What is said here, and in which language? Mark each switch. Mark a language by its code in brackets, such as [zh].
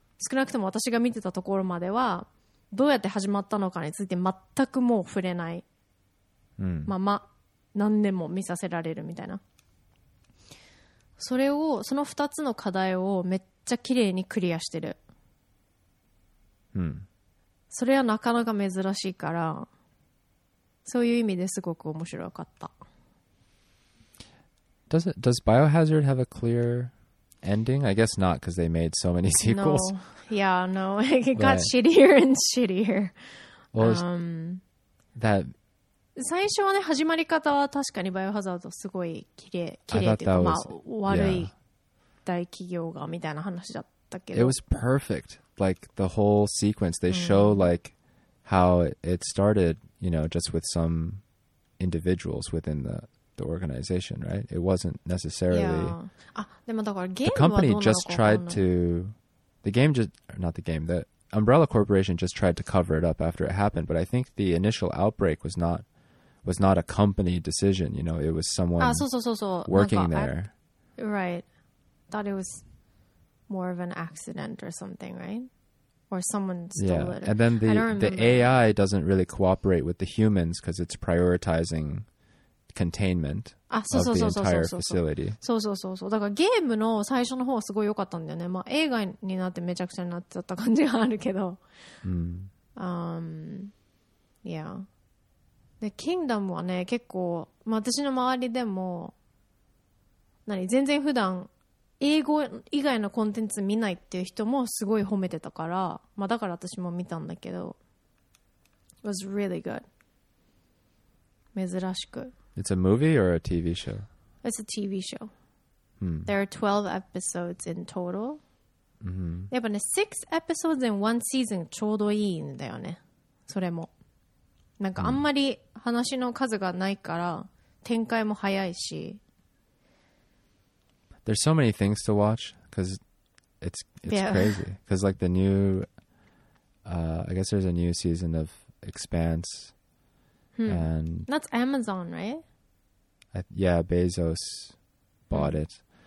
[ja] 少なくとも私が見てたところまではどうやって始まったのかについて全くもう触れないまま何年も見させられるみたいな、それをその2つの課題をめっちゃ綺麗にクリアしてる、それはなかなか珍しいから、そういう意味ですごく面白かった。 [en] Does Biohazard have a clear ending? I guess not, because they made so many sequels. No. Yeah, no, it got shittier and shittier. Well, that [ja] 最初はね、始まり方は確かにバイオハザードすごい綺麗っていうか、まあ、悪い大企業がみたいな話だったけど。 [en] It was perfect. Like, the whole sequence, they show, like, how it started, you know, just with some individuals within the organization, right? It wasn't necessarily... Yeah. [ja] でもだからゲームはどうなのか分からない。 [en] The game just, not the game, the Umbrella Corporation just tried to cover it up after it happened, but I think the initial outbreak was not a company decision, you know, it was someone working there. Right. Thought it was more of an accident or something, right? Or someone stole it. And then the AI doesn't really cooperate with the humans because it's prioritizing containment of the entire facility. So. [ja] だからゲームの最初の方はすごい良かったんだよね。まあ映画になってめちゃくちゃになっちゃった感じがあるけど。で、キングダムはね、結構、まあ、私の周りでも、何、全然普段、英語以外のコンテンツ見ないっていう人もすごい褒めてたから、まあ、だから私も見たんだけど、 [en] It was really good. [ja] 珍しく。 [en] It's a movie or a TV show? It's a TV show.、There are 12 episodes in total.、 [ja] やっぱね、 [en] 6 episodes in one season [ja] ちょうどいいんだよね。それも。なんかあんまり話の数がないから、展開も早いし。 [en] There's so many things to watch because it's crazy. Because like the new, I guess there's a new season of Expanse. And that's Amazon, right? Bezos bought it.